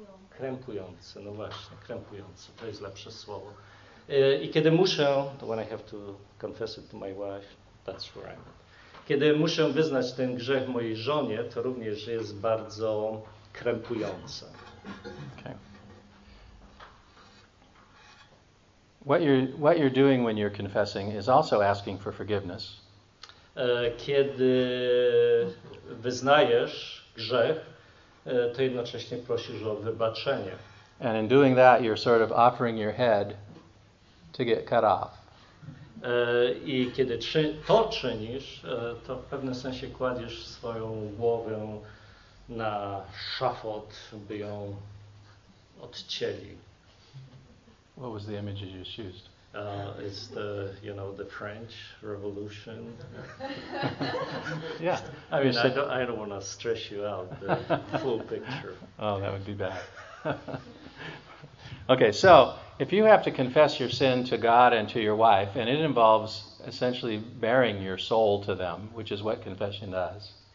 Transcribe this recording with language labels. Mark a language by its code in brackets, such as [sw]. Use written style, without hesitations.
[pl] Krępujące, no właśnie, krępujące. To jest lepsze słowo. I kiedy muszę... [en] When I have to confess it to my wife, that's right. [pl] Kiedy muszę wyznać ten grzech mojej żonie, to również jest bardzo krępujące. [en] Okay. What you're doing when you're confessing is also asking for forgiveness. [pl] Kiedy wyznajesz grzech, to jednocześnie prosisz o wybaczenie. [en] And in doing that, you're sort of offering your head to get cut off. [pl] I kiedy to czynisz, to w pewnym sensie kładziesz swoją głowę na szafot, by ją odcięli. [en] What was the image you just used? It's the, you know, the French Revolution. Yeah. I mean, so, I don't want to stress you out the full picture. Oh, that would be bad. Okay, so if you have to confess your sin to God and to your wife, and it involves essentially bearing your soul to them, which is what confession does.